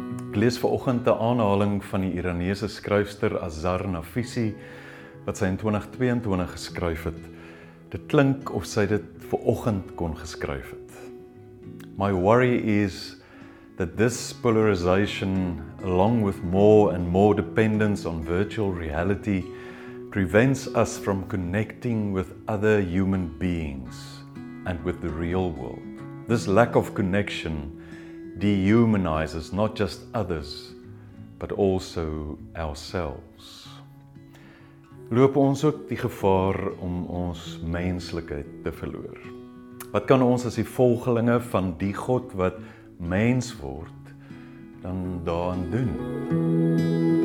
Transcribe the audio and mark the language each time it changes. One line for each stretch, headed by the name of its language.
Afrikaans: Ek lees vanoggend 'n aanhaling van die Iraniese skryfster Azar Nafisi, wat sy in 2022 geskryf het. Dit klink of sy dit vanoggend kon geskryf het.
English: My worry is that this polarization, along with more and more dependence on virtual reality, prevents us from connecting with other human beings and with the real world. This lack of connection dehumanizes not just others, but also ourselves.
Afrikaans: Loop ons ook die gevaar om ons menslikheid te verloor? Wat kan ons as die volgelinge van die God wat mens word, dan daaraan doen?